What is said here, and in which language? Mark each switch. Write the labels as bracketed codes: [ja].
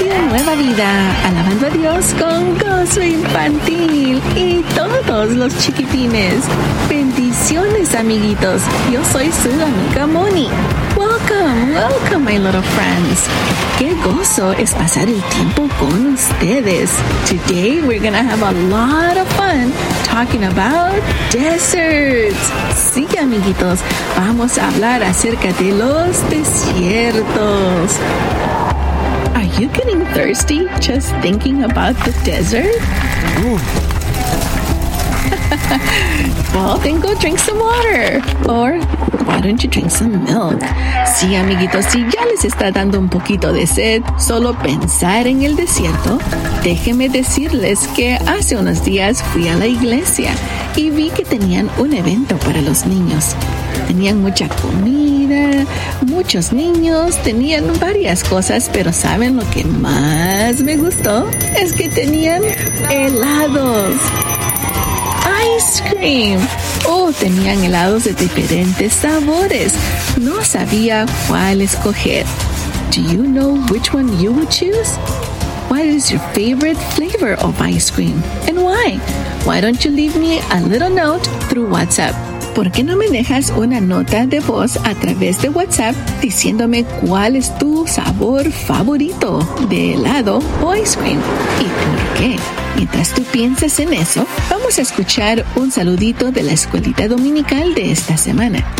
[es] Nueva Vida, alabando a Dios con Gozo Infantil y todos los chiquitines. Bendiciones, amiguitos. Yo soy su amiga Moni. [en] Welcome, welcome, my little friends. [es] Qué gozo es pasar el tiempo con ustedes. [en] Today, we're gonna have a lot of fun talking about deserts. [es] Sí, amiguitos, vamos a hablar acerca de los desiertos. [en] Are you getting thirsty just thinking about the desert? Well, then go drink some water. Or why don't you drink some milk? [es] Sí, amiguitos, si ya les está dando un poquito de sed solo pensar en el desierto, déjenme decirles que hace unos días fui a la iglesia y vi que tenían un evento para los niños. Tenían mucha comida, muchos niños, tenían varias cosas, pero ¿saben lo que más me gustó? Es que tenían helados. ¡Ice cream! Oh, tenían helados de diferentes sabores. No sabía cuál escoger. [en] Do you know which one you would choose? What is your favorite flavor of ice cream? And why? Why don't you leave me a little note through WhatsApp? [es] ¿Por qué no me dejas una nota de voz a través de WhatsApp diciéndome cuál es tu sabor favorito de helado o ice cream? ¿Y por qué? Mientras tú piensas en eso, vamos a escuchar un saludito de la escuelita dominical de esta semana.